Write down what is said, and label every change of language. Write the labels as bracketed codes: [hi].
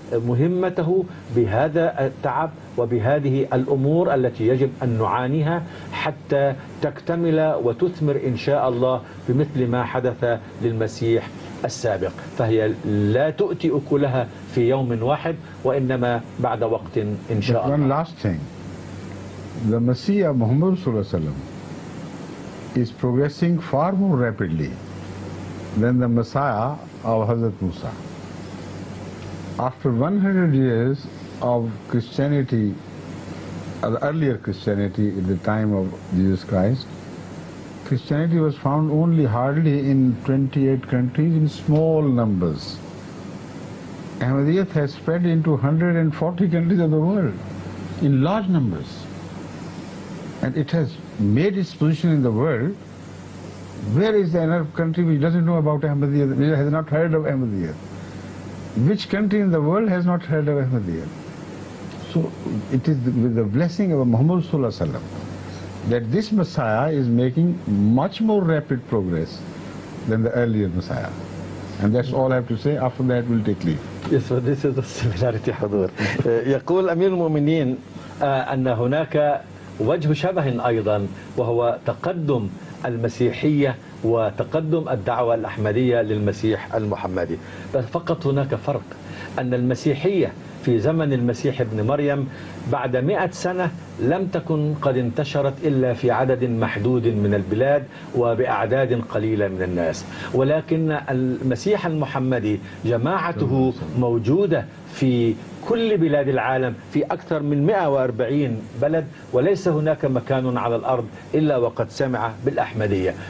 [ar] مهمته بهذا التعب وبهذه الأمور التي يجب أن نعانيها حتى تكتمل وتثمر إن شاء الله بمثل ما حدث للمسيح السابق، فهي لا تؤتي أكلها في يوم واحد وإنما بعد وقت إن شاء الله. [en] One last thing. The Messiah Muhammad [ar] صلى الله عليه وسلم [en] is progressing far more rapidly than the Messiah of Hazrat Musa. After 100 years of Christianity, or earlier Christianity in the time of Jesus Christ, Christianity was found only hardly in 28 countries in small numbers. Ahmadiyyat has spread into 140 countries of the world in large numbers. And it has made its position in the world. Where is the Arab country which doesn't know about Ahmadiyyat, which has not heard of Ahmadiyyat? Which country in the world has not heard of Ahmadiyyat? So it is with the blessing of Muhammad Sallallahu Alaihi Wasallam that this Messiah is making much more rapid progress than the earlier Messiah. And that's all I have to say. After that, we'll take leave. Yes, so this is a similarity, Hadur. [ar] يقول أمير المؤمنين أن هناك وجه شبه أيضا وهو تقدم المسيحية وتقدم الدعوة الأحمدية للمسيح المحمدي. بس فقط هناك فرق، أن المسيحية في زمن المسيح ابن مريم بعد 100 سنة لم تكن قد انتشرت إلا في عدد محدود من البلاد وبأعداد قليلة من الناس، ولكن المسيح المحمدي جماعته موجودة في كل بلاد العالم في أكثر من 140 بلد، وليس هناك مكان على الأرض إلا وقد سمع بالأحمدية.